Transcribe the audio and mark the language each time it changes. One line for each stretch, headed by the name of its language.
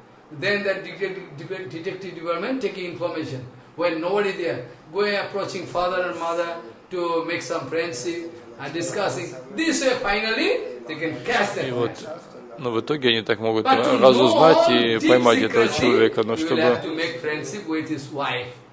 English: Then that detective department taking information when nobody there, going approaching father and mother to make some friendship and discussing. This way, finally, they can catch them.
Russian: И вот, но в итоге они так могут разузнать и поймать этого человека, но чтобы.
English: You will have to make friendship with his wife.